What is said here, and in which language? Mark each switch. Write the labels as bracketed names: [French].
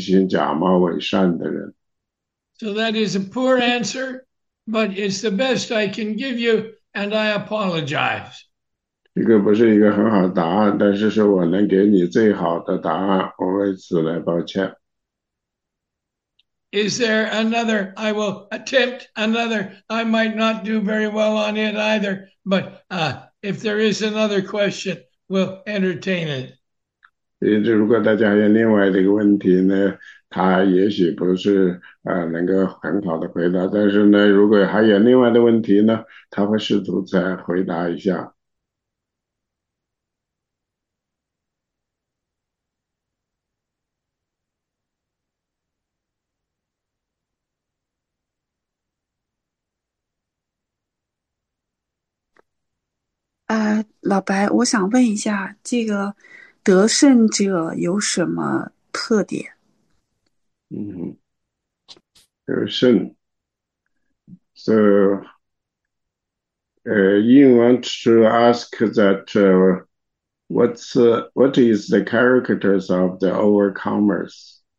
[Chinese] 这个里面呢，就是说，现在的问题呢，总是说呢，他们说他们相信的人并不一定就是真的信，他们呢，有些人呢，他们就说是啊，说是一回事儿，然后信又是一回事儿。就是说，这些人说他信呢，但是他们从最开始的时候就没有信，他们只是一些假冒伪善的人。 [English] So that is a poor answer, but it's the best I can give you, and I apologize. [Chinese] 这个不是一个很好的答案，但是是我能给你最好的答案，我为此来抱歉。 [English] Is there another? I will attempt another. I might not do very well on it either, but if there is another question, we'll entertain it. [Chinese] 如果大家有另外的一个问题呢，他也许不是能够很好的回答，但是呢，如果还有另外的问题呢，他会试图再回答一下。老白，我想问一下，这个得胜者有什么特点？ [English] You want to ask that what is the characters of the overcomers?